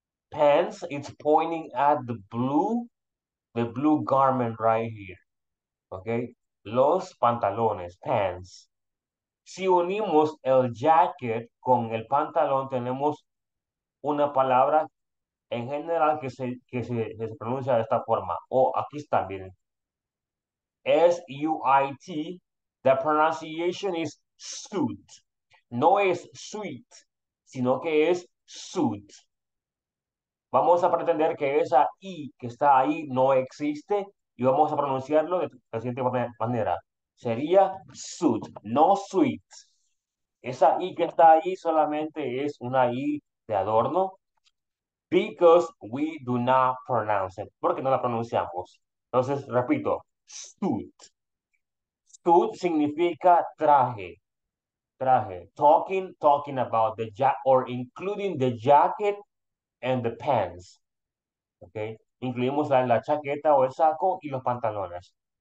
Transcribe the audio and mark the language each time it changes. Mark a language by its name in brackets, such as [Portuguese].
[English] Pants, it's pointing at the blue garment right here. [Spanish] Okay? Los pantalones, pants. Si unimos el jacket con el pantalón, tenemos una palabra en general que se pronuncia de esta forma. Oh, aquí está, miren. S-U-I-T, [English] the pronunciation is suit. [Spanish] No es sweet, sino que es suit. Vamos a pretender que esa I que está ahí no existe y vamos a pronunciarlo de la siguiente manera. Sería suit, no sweet. Esa I que está ahí solamente es una I de adorno [English] because we do not pronounce it, [Spanish] porque no la pronunciamos. Entonces, repito. Suit. Suit significa traje. Traje. [English] Talking about the jacket or including the jacket and the pants. Okay. [Spanish] Incluimos la chaqueta o el saco y los pantalones.